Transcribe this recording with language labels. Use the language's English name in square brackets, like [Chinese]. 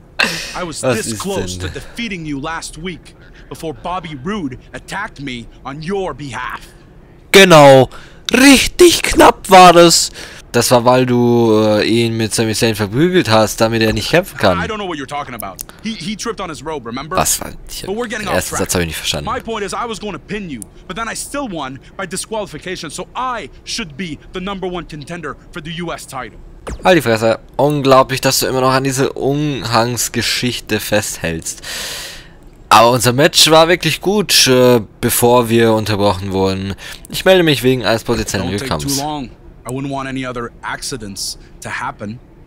[English] I was this close to defeating you last week before Bobby Roode attacked me on your behalf. [German] Genau, richtig knapp war das. Das war, weil du ihn mit Sami Zayn verprügelt hast, damit er nicht kämpfen kann. [English] I don't know what you're talking about. He tripped on his rope, remember? [German] Was war? [English] But we're getting off track. [German] Erstens, das habe ich nicht verstanden. [English] My point is, I was going to pin you, but then I still won by disqualification, so I should be the number one contender for the US title. [German] Halt die Fresse. Unglaublich, dass du immer noch an diese Unhangsgeschichte festhältst. Aber unser Match war wirklich gut, bevor wir unterbrochen wurden. Ich melde mich wegen eines potenziellen Rückkampfs. [English] I wouldn't want any other accidents to happen.